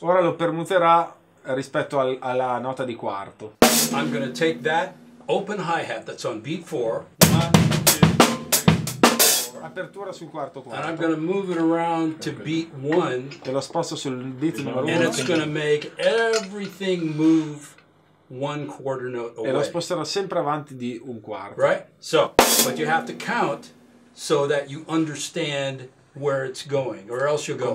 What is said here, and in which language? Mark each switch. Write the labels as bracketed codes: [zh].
[it] Ora lo permuterà rispetto alla nota di quarto. [en] I'm going to take that open hi-hat that's on beat 4. 1, 2, 3, 4. [it] Apertura sul quarto quarto. [en] And I'm going to move it around to beat 1. [it] E lo sposto sul beat numero 1. [en] And it's going to make everything move one quarter note away. [it] E lo sposterà sempre avanti di un quarto. [en] Right? So, but you have to count so that you understand where it's going, or else you'll go,